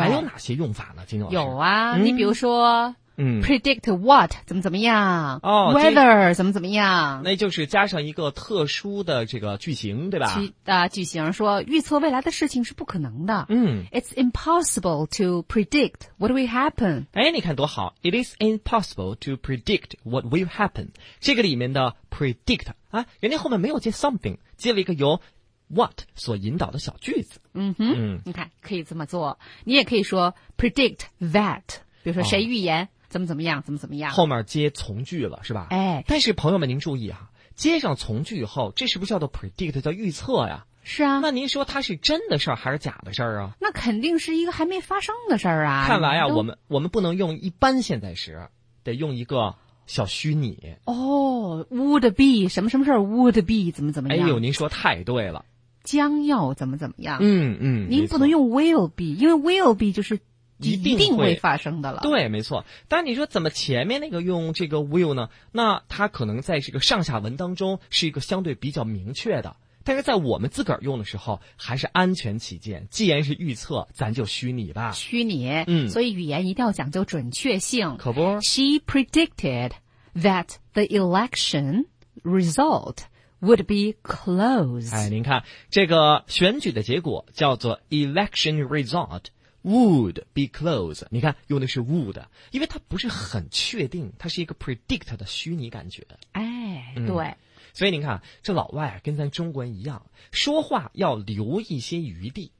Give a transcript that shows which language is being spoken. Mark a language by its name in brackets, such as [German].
[Chinese] 还有哪些用法呢？金总有啊，你比如说，predict what 怎么怎么样？哦，weather 怎么怎么样？那就是加上一个特殊的这个句型，对吧？句型说预测未来的事情是不可能的。 [English] It's impossible to predict what will happen。 [Chinese] 哎，你看多好 ！ [English] It is impossible to predict what will happen。 [Chinese] 这个里面的 predict 啊，人家后面没有接 something， 接了一个由 what 所引导的小句子。嗯哼，你看可以这么做，你也可以说 predict that。比如说谁预言、哦、怎么怎么样怎么怎么样，后面接从句了是吧？哎，但是朋友们您注意啊，接上从句以后，这是不是叫做 predict， 叫预测呀？是啊。那您说它是真的事儿还是假的事儿啊？那肯定是一个还没发生的事儿啊。看来啊，我们不能用一般现在时，得用一个小虚拟。哦 ，would be 什么什么事儿 ，would be 怎么怎么样？哎呦，您说太对了，将要怎么怎么样？嗯，您不能用 will be， 因为 will be 就是。一定会发生的了。对，没错。但你说怎么前面那个用这个 will 呢？那它可能在这个上下文当中是一个相对比较明确的，但是在我们自个儿用的时候还是安全起见，既然是预测咱就虚拟吧。虚拟。嗯。所以语言一定要讲究准确性。可不。 [English] She predicted that the election result would be close。 [Chinese] 哎，您看这个选举的结果叫做 election result。 [English] Would be close， [Chinese] 你看用的是 would， 因为它不是很确定，它是一个 predict 的虚拟感觉。哎，对。所以您看，这老外跟咱中国人一样，说话要留一些余地。